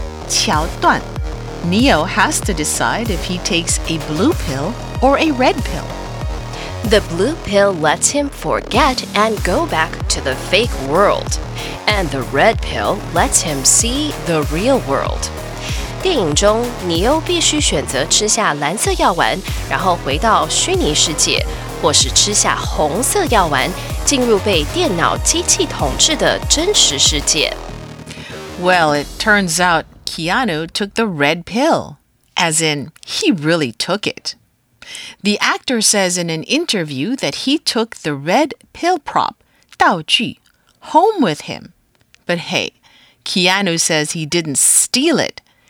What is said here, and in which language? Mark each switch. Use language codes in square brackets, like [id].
[zh] 桥段。 [en] Neo has to decide if he takes a blue pill or a red pill. The blue pill lets him forget and go back to the fake world. And the red pill lets him see the real world. [zh] 电影中，尼欧必须选择吃下蓝色药丸，然后回到虚拟世界，或是吃下红色药丸，进入被电脑机器统治的真实世界。 [en] Well, it turns out Keanu took the red pill, as in, he really took it. The actor says in an interview that he took the red pill prop, 道具, home with him. But hey, Keanu says he didn't steal it.